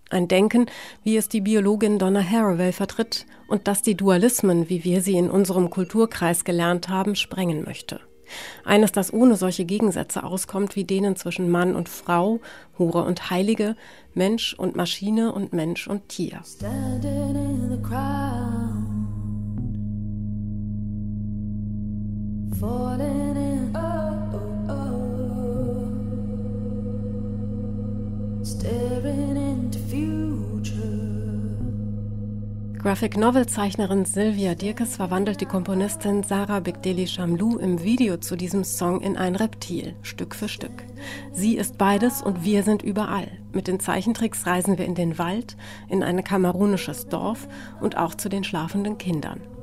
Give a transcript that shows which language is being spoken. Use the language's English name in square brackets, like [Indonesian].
[German] Ein Denken, wie es die Biologin Donna Haraway vertritt und das die Dualismen, wie wir sie in unserem Kulturkreis gelernt haben, sprengen möchte. Eines, das ohne solche Gegensätze auskommt wie denen zwischen Mann und Frau, Hure und Heilige, Mensch und Maschine und Mensch und Tier. [English] Standing in the crowd, falling in, oh, oh, oh, staring into future. [German] Graphic-Novel-Zeichnerin Sylvia Dierkes verwandelt die Komponistin Sarah Bigdeli Shamlou im Video zu diesem Song in ein Reptil, Stück für Stück. Sie ist beides und wir sind überall. Mit den Zeichentricks reisen wir in den Wald, in ein kamerunisches Dorf und auch zu den schlafenden Kindern.